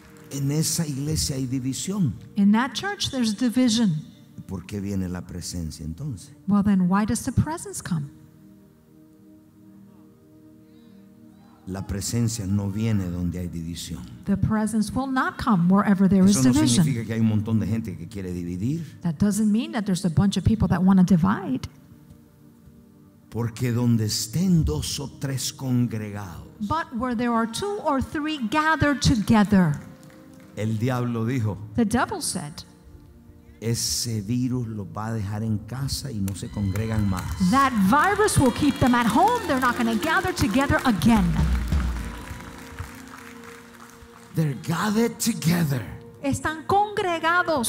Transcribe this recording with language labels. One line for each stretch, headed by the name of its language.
Spanish: En esa iglesia hay división.
English: In that church there's division.
Spanish: ¿Por qué viene la presencia entonces?
English: Well then, why does the presence come?
Spanish: La presencia no viene donde hay división.
English: The presence will not come wherever there is division.
Spanish: Eso no significa que hay un montón de gente que quiere dividir.
English: That doesn't mean that there's a bunch of people that want to divide.
Spanish: Porque donde estén dos o tres congregados.
English: But where there are two or three gathered together.
Spanish: El diablo dijo.
English: The devil said.
Spanish: Ese virus los va a dejar en casa y no se congregan más.
English: That virus will keep them at home. They're not going to gather together again. They're gathered together.
Spanish: Están congregados.